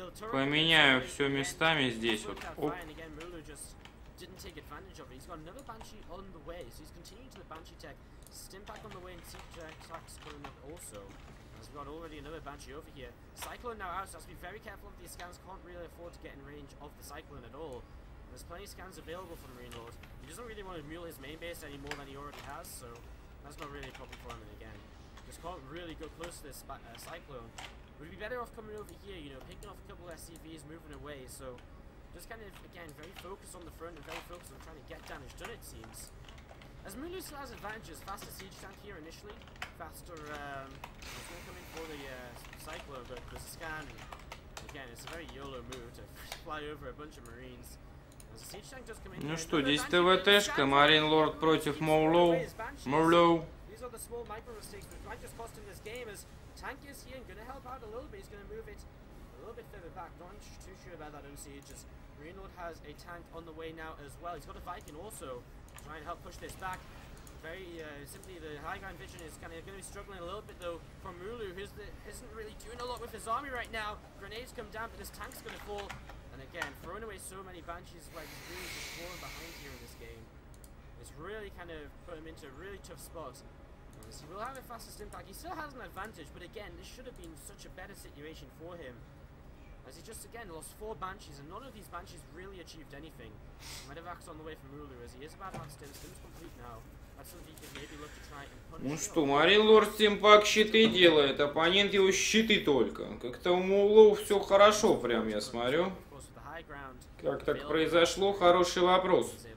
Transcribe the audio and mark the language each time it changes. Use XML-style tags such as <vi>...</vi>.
<ru>поменяю все местами здесь вот. Оп.</ru> <en>Mulu just didn't take advantage of it. He's got another Banshee on the way. So he's continuing to the Banshee tech. Stimpak on the way and Seek Tracks going up also. We've got already another Banshee over here. Cyclone now out, so has to be very careful of these scans. Can't really afford to get in range of the Cyclone at all. And there's plenty of scans available for Marine Lord. He doesn't really want to mule his main base any more than he already has, so that's not really a problem for him. And again, just can't really go close to this Cyclone. Would be better off coming over here, you know, picking off a couple of SCVs, moving away. So just kind of, again, very focused on the front and very focused on trying to get damage done, it seems. As Mulu still has advantages, faster siege tank here initially, faster, it's gonna come in for the Cyclo, but the scan, again, it's a very YOLO move to fly over a bunch of marines. As the siege tank does come in,</en> <ru>ну что, 10 ТВТшка, Marine Lord против Moulou, Moulou.</ru> <en>These are the small micro mistakes that might just cost him this game, as tank is here and gonna help out a little bit. He's gonna move it a little bit further back. Not too sure about that own siege, as Marine Lord has a tank on the way now as well. He's got a Viking also. Try and help push this back. Very simply, the high ground vision is kind of going to be struggling a little bit though from Mulu, who isn't really doing a lot with his army right now. Grenades come down, but this tank's going to fall. And again, throwing away so many Banshees, like he's really just falling behind here in this game. It's really kind of put him into a really tough spot. So he will have a fastest impact. He still has an advantage, but again, this should have been such a better situation for him. As he just again lost four Banshees, and none of these Banshees really achieved anything. Medivac on the way from Mulu, as he is about half stim. Stim's complete now. That's something he could maybe look to try and punish.</en> <ru>Ну что, Marine Lord Стимпак щиты делает, оппонент его щиты только. Как-то у Мулу все хорошо, прям я смотрю. Как так произошло, хороший вопрос.</ru>